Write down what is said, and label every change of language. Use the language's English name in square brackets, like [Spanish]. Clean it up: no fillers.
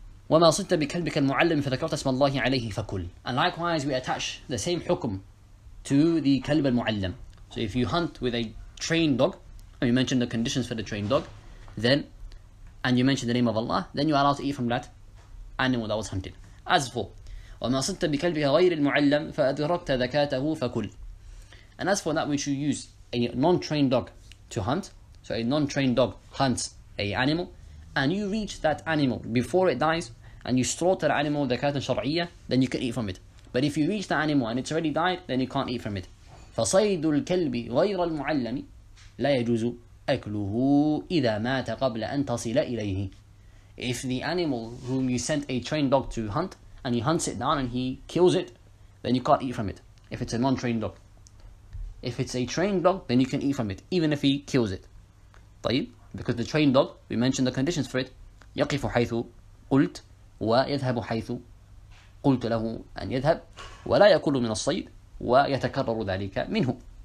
[Arabic] وَمَا صِدْتَ بِكَلْبِكَ الْمُعَلِّمِ فَذَكَرْتَ اسْمَ اللَّهِ عَلَيْهِ فَكُلْ. [English] And likewise, we attach the same hukum to the كَلْبَ الْمُعَلِّمِ. So if you hunt with a trained dog, and you mention the conditions for the trained dog, then, and you mention the name of Allah, then you are allowed to eat from that animal that was hunted. As for, [Arabic] وَمَا صِدْتَ بِكَلْبِهَ غَيْرِ الْمُعَلَّمِ فَأَدْرَكْتَ ذَكَاتَهُ فَكُلْ. [English] And as for that which you use a non-trained dog to hunt, so a non-trained dog hunts a animal, and you reach that animal before it dies, and you slaughter the animal with [Arabic] ذَكَاتٍ شَرْعِيَّةٍ, [English] then you can eat from it. But if you reach the animal and it's already died, then you can't eat from it. [Arabic] فَصَيْدُ الْكَلْبِ غَيْرَ الْمُعَلَّمِ لَا يَجُزُ أَكْلُهُ إِذَا مَاتَ قَبْلَ أَن تَصِلَ إِلَيْهِ. [English] If the animal whom you sent a trained dog to hunt, and he hunts it down and he kills it, then you can't eat from it, if it's a non-trained dog. If it's a trained dog, then you can eat from it, even if he kills it. [Arabic] طيب. [English] Because the trained dog, we mentioned the conditions for it, [Arabic] يَقِفُ حَيْثُ قُلْتُ وَيَذْهَبُ حَيْثُ قُلْتُ لَهُ أَن يَذْهَبْ وَلَا يَكُلُ مِنَ الصَّيْدِ وَيَتَكَرَّرُ ذَلِكَ مِنْهُ.